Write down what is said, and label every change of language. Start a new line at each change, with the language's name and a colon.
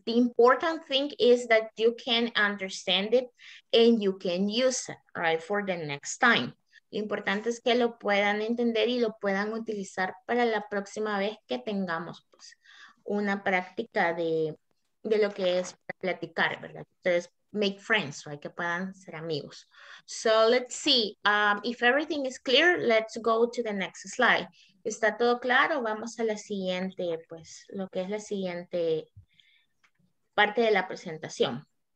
English: The important thing is that you can understand it and you can use it, right, for the next time.
Spanish: Lo importante es que lo puedan entender y lo puedan utilizar para la próxima vez que tengamos, pues, una práctica de lo que es platicar, ¿verdad?
English: Entonces, make friends, right?
Spanish: Que puedan ser amigos.
English: So let's see, if everything is clear, let's go to the next slide.
Spanish: ¿Está todo claro? Vamos a la siguiente, pues, lo que es la siguiente parte de la presentación.